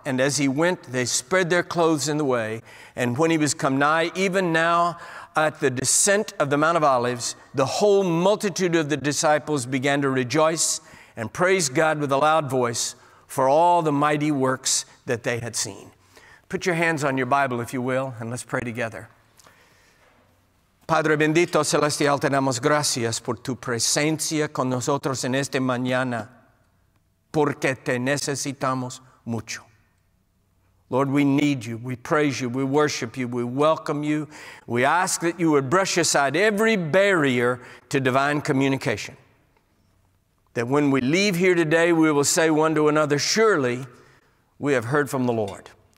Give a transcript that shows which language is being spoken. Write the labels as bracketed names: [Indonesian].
[English] And as he went, they spread their clothes in the way. And when he was come nigh, even now at the descent of the Mount of Olives, the whole multitude of the disciples began to rejoice and praise God with a loud voice for all the mighty works that they had seen." Put your hands on your Bible, if you will, and let's pray together. [Spanish] Padre bendito celestial, te damos gracias por tu presencia con nosotros en esta mañana, porque te necesitamos mucho. [English] Lord, we need you, we praise you, we worship you, we welcome you. We ask that you would brush aside every barrier to divine communication. That when we leave here today, we will say one to another, surely we have heard from the Lord.